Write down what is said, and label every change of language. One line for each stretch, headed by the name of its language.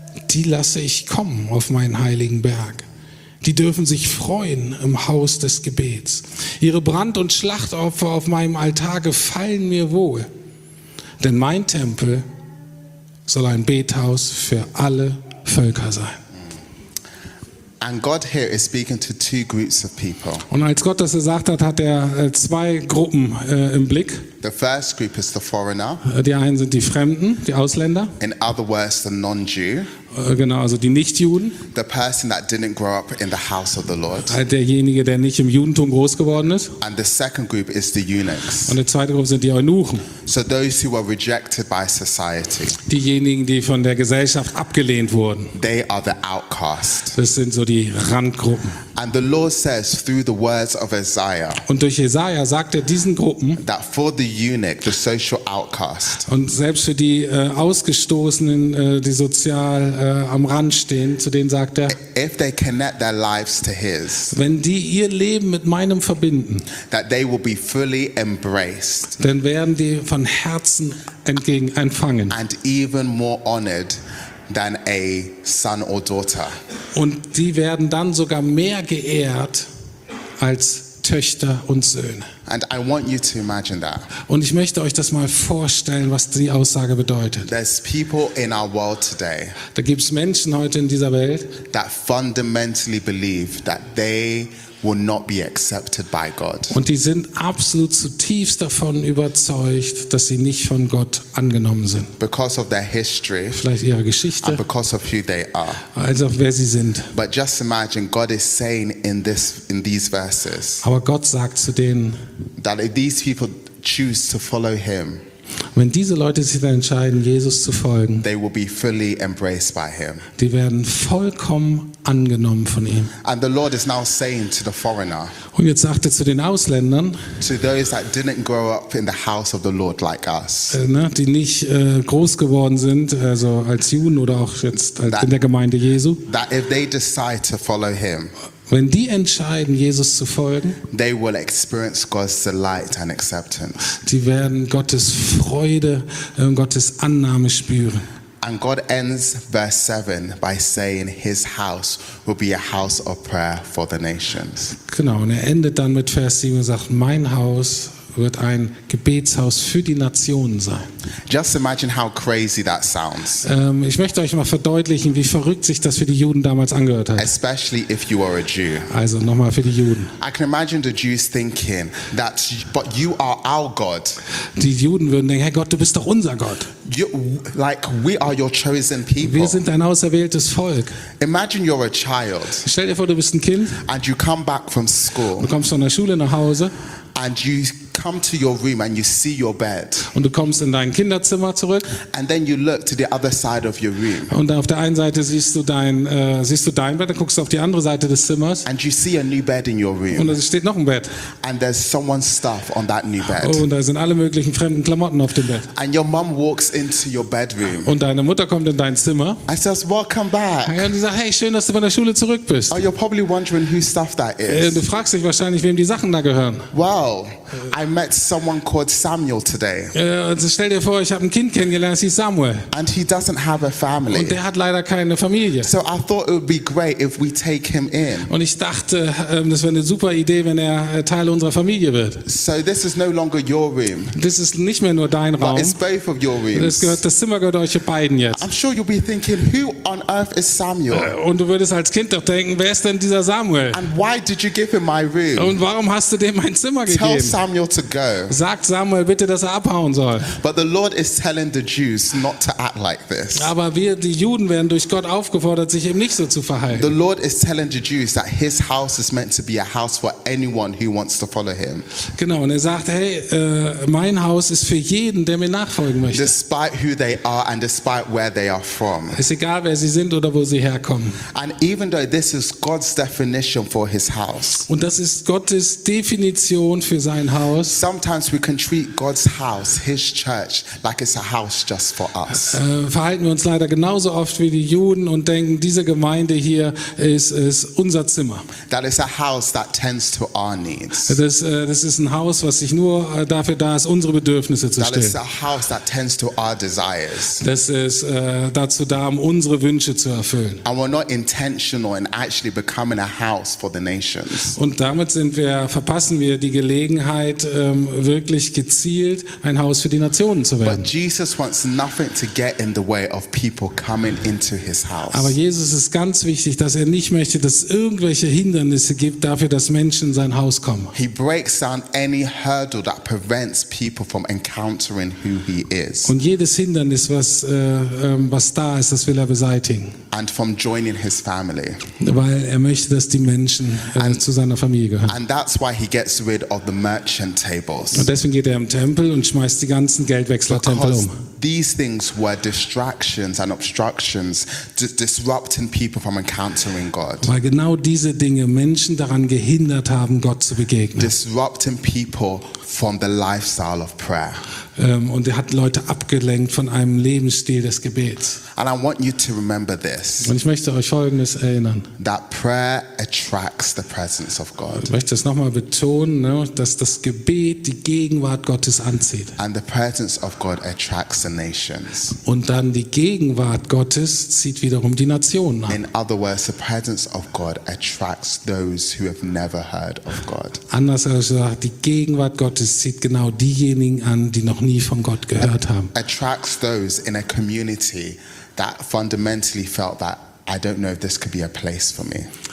German: die lasse ich kommen auf meinen heiligen Berg. Die dürfen sich freuen im Haus des Gebets. Ihre Brand- und Schlachtopfer auf meinem Altar gefallen mir wohl. Denn mein Tempel soll ein Bethaus für alle Völker sein.
English: And God here is speaking to two groups of people.
German: Und als Gott das gesagt hat, hat er zwei Gruppen im Blick.
English: The first group is the foreigner.
German: Die einen sind die Fremden, die Ausländer.
English: In other words, the non-Jew.
German: Genau, also die Nichtjuden.
English: The person that didn't grow up in the house of the Lord.
German: Derjenige, der nicht im Judentum groß geworden ist.
English: And the second group is the eunuchs.
German: Und die zweite Gruppe sind die Eunuchen.
English: So those who were rejected by society.
German: Diejenigen, die von der Gesellschaft abgelehnt wurden.
English: They are the outcast.
German: Das sind so die Randgruppen.
English: And the Lord says through the words of Isaiah.
German: Und durch Jesaja sagt er diesen Gruppen.
English: That for the eunuch, the social outcast.
German: Und selbst für die Ausgestoßenen, die sozial am Rand stehen, zu denen sagt er,
English: if they connect their lives to his,
German: wenn die ihr Leben mit meinem verbinden,
English: that they will be fully embraced,
German: dann werden die von Herzen entgegen empfangen.
English: And even more honored than a son or daughter.
German: Und die werden dann sogar mehr geehrt als Töchter und Söhne.
English: And I want you to imagine that.
German: Und ich möchte euch das mal vorstellen, was die Aussage bedeutet.
English: There's people in our world today.
German: Da gibt's Menschen heute in dieser Welt,
English: that fundamentally believe that they will not be accepted by God.
German: Und die sind absolut zutiefst davon überzeugt, dass sie nicht von Gott angenommen sind.
English: Because of their history,
German: vielleicht ihre Geschichte,
English: and because of who they are.
German: Also wer sie sind.
English: But just imagine, God is saying in these verses.
German: Aber Gott sagt zu denen,
English: that if these people choose to follow him,
German: wenn diese Leute sich dann entscheiden, Jesus zu folgen,
English: they will be fully embraced by him.
German: Die werden vollkommen angenommen von ihm.
English: And the Lord is now saying to the foreigner,
German: und jetzt sagt er zu den Ausländern,
English: to those that didn't grow up in the house of the Lord like us,
German: die nicht groß geworden sind, also als Juden oder auch jetzt in der Gemeinde Jesu,
English: that if they decide to follow him,
German: wenn die entscheiden, Jesus zu folgen,
English: they will experience God's delight and acceptance.
German: Die werden Gottes Freude und Gottes Annahme spüren.
English: And God ends verse 7 by saying his house will be a house of prayer for the nations.
German: Genau, und er endet dann mit Vers 7 und sagt, mein Haus wird ein Gebetshaus für die Nationen sein.
English: Just imagine how crazy that sounds.
German: Ich möchte euch mal verdeutlichen, wie verrückt sich das für die Juden damals angehört hat.
English: Especially if you are a Jew.
German: Also nochmal für die Juden.
English: I can imagine the Jews thinking that, but you are our God.
German: Die Juden würden denken, hey Gott, du bist doch unser Gott.
English: You, like we are your chosen people.
German: Wir sind dein auserwähltes Volk.
English: Imagine you're a child.
German: Stell dir vor, du bist ein Kind.
English: And you come back from school.
German: Du kommst von der Schule nach Hause.
English: And you come to your room and you see your bed.
German: Und du kommst in dein Kinderzimmer zurück.
English: And then you look to the other side of your room.
German: Und auf der einen Seite siehst du dein Bett, dann guckst du auf die andere Seite des Zimmers.
English: And you see a new bed in your room.
German: Und da steht noch ein Bett.
English: And there's someone's stuff on that new bed.
German: Und da sind alle möglichen fremden Klamotten auf dem Bett.
English: And your mom walks into your bedroom.
German: Und deine Mutter kommt in dein Zimmer.
English: And says, "Welcome back."
German: Und sie sagt, hey, schön, dass du von der Schule zurück bist.
English: Oh, you're probably wondering whose stuff that is.
German: Du fragst dich wahrscheinlich, wem die Sachen da gehören. Wow.
English: I met someone called Samuel today.
German: Also stell dir vor, ich habe ein Kind kennengelernt, es hieß Samuel.
English: And he doesn't have a family.
German: Und der hat leider keine Familie.
English: So I thought it would be great if we take him in.
German: Und ich dachte, das wäre eine super Idee, wenn er Teil unserer Familie wird.
English: So this is no longer your room.
German: Das ist nicht mehr nur dein Raum.
English: But it's both of your rooms.
German: Das Zimmer gehört euch beiden jetzt.
English: I'm sure you'll be thinking, who on earth is Samuel?
German: Und du würdest als Kind doch denken, wer ist denn dieser Samuel?
English: And why did you give him my room?
German: Und warum hast du dem mein Zimmer gegeben?
English: Tell Samuel to go.
German: Sagt Samuel bitte, dass er abhauen soll.
English: But the Lord is telling the Jews not to act like this.
German: Aber wir, die Juden, werden durch Gott aufgefordert, sich eben nicht so zu verhalten.
English: The Lord is telling the Jews that his house is meant to be a house for anyone who wants to follow him.
German: Genau, und er sagt, hey, mein Haus ist für jeden, der mir nachfolgen möchte.
English: Despite who they are and despite where they are from.
German: Ist egal, wer sie sind oder wo sie herkommen.
English: And even though this is God's definition for his house.
German: Und das ist Gottes Definition für sein Haus.
English: Sometimes we can treat God's house, his church, like it's a house just for us.
German: Verhalten wir uns leider genauso oft wie die Juden und denken, diese Gemeinde hier ist unser Zimmer.
English: That is a house that tends to our needs.
German: Das ist ein Haus, was sich nur dafür da ist, unsere Bedürfnisse zu stillen.
English: That is a house that tends to our our desires.
German: Das ist dazu da, um unsere Wünsche zu erfüllen.
English: And we're not intentional in actually becoming a house for the nations.
German: Und damit verpassen wir die Gelegenheit, wirklich gezielt ein Haus für die Nationen zu werden.
English: But Jesus wants nothing to get in the way of people coming into his house.
German: Aber Jesus ist ganz wichtig, dass er nicht möchte, dass irgendwelche Hindernisse gibt dafür, dass Menschen in sein Haus kommen.
English: He breaks down any hurdle that prevents people from encountering who he is.
German: Und jedes Hindernis, was da ist, das will er beseitigen.
English: And from joining his family.
German: Weil er möchte, dass die Menschen zu seiner Familie gehören.
English: And that's why he gets rid of the merchant tables.
German: Und deswegen geht er im Tempel und schmeißt die ganzen Geldwechsler-Tempel um.
English: These things were distractions and obstructions, disrupting people from encountering God.
German: Weil genau diese Dinge Menschen daran gehindert haben, Gott zu begegnen.
English: Disrupting people from the lifestyle of prayer.
German: Und er hat Leute abgelenkt von einem Lebensstil des Gebets.
English: And I want you to remember this.
German: Und ich möchte euch Folgendes erinnern.
English: That prayer attracts the presence of God.
German: Ich möchte es nochmal betonen, ne, dass das Gebet die Gegenwart Gottes anzieht.
English: And the presence of God attracts the nations.
German: Und dann die Gegenwart Gottes zieht wiederum die Nationen an.
English: In other words, the presence of God attracts those who have never heard of God.
German: Anders gesagt, die Gegenwart Gottes zieht genau diejenigen an, die noch nie von Gott gehört haben.
English: Attracts those in a community that fundamentally felt that I don't know if this could be a place for me.